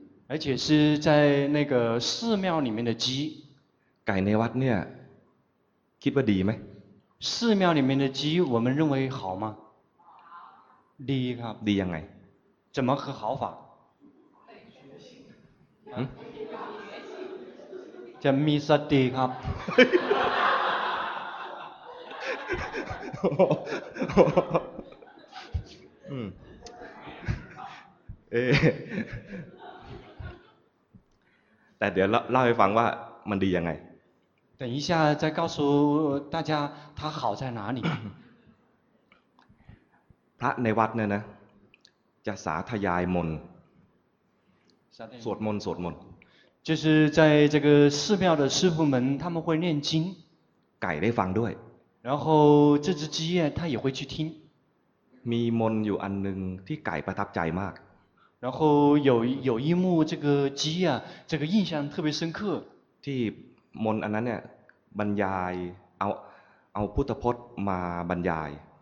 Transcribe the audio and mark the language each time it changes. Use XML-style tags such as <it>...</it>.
<zh>而且是在那个寺庙里面的鸡</zh> <th>ไก่ในวัดเนี่ยคิดว่าดีไหม</th> <zh>寺庙里面的鸡我们认为好吗</zh> <th>ดีครับ ดียังไง</th> <zh>怎么和好法</zh> <th>จะมีสติครับ แต่เดี๋ยวเล่าให้ฟังว่ามันดียังไง</th> <zh>等一下再告诉大家他好在哪里</zh> <th>พระในวัดเนี่ยนะจะสาธยายมนต์สวดมนต์สวดมนต์</th> <zh>就是在这个寺庙的师父们他们会念经</zh> <th>ไก่ได้ฟังด้วย</th> <zh>然后这只鸡他也会去听</zh> <th>มีมนต์อยู่อันนึงที่ไก่ประทับใจมาก</th> <zh>然后有一幕这个鸡啊这个印象特别深刻</zh> <th>ที่มนอันนั้นเนี่ยบรรยายเอาพุทธพจน์มาบรรยาย</th>